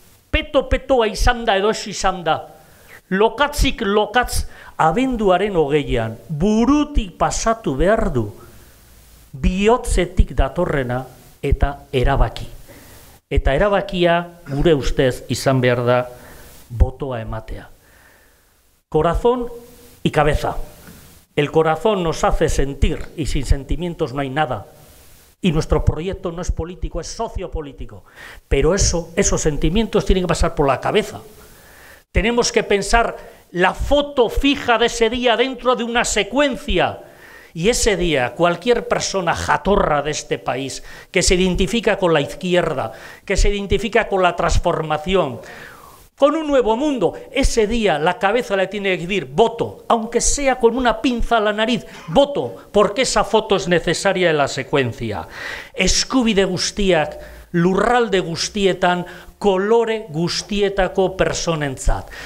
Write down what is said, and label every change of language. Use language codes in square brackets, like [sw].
[eu] peto-petoa izan da edo ez izan da, lokatzik lokatz abenduaren 20an, burutik pasatu behar du, bihotzetik datorrena eta erabaki. Eta erabakia gure ustez izan behar da botoa ematea. [es] Corazón, Y cabeza. El corazón nos hace sentir y sin sentimientos no hay nada. Y nuestro proyecto no es político, es sociopolítico. Pero eso, esos sentimientos tienen que pasar por la cabeza. Tenemos que pensar la foto fija de ese día dentro de una secuencia. Y ese día cualquier persona jatorra de este país que se identifica con la izquierda, que se identifica con la transformación... Con un nuevo mundo, ese día la cabeza le tiene que decir voto, aunque sea con una pinza a la nariz, voto, porque esa foto es necesaria en la secuencia. [eu] Eskubide guztiak, lurralde guztietan, kolore guztietako personentzat.